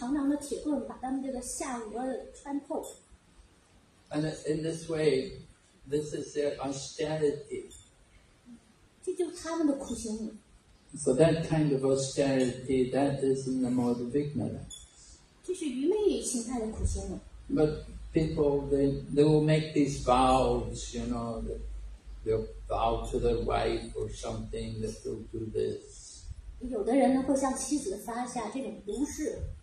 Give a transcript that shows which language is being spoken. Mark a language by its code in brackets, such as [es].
[zh] 有些人呢，他们用一根长长的铁棍把他们这个下颚穿透。 [en] And in this way, this is their austerity. [zh] 这就是他们的苦行。So [en] that kind of austerity, that is in the mode of ignorance. [zh] 这是愚昧心态的苦行。But [en] people, they will make these vows, you know, that they'll vow to their wife or something that they'll do this. [zh] 有的人呢会向妻子发下这种毒誓。